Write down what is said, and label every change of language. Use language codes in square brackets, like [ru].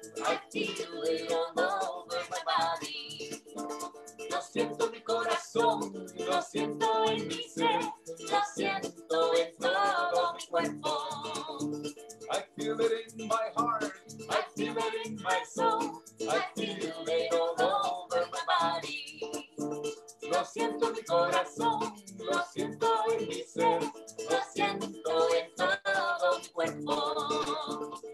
[en] I feel it all over my body. [es] Lo siento en mi corazón. Lo siento en mi ser. Lo siento en todo mi cuerpo. [en] I feel it in my heart. I feel it in my soul. I feel it all over my body. [es] Lo siento en mi corazón. Lo siento en mi ser. Lo siento en todo mi cuerpo.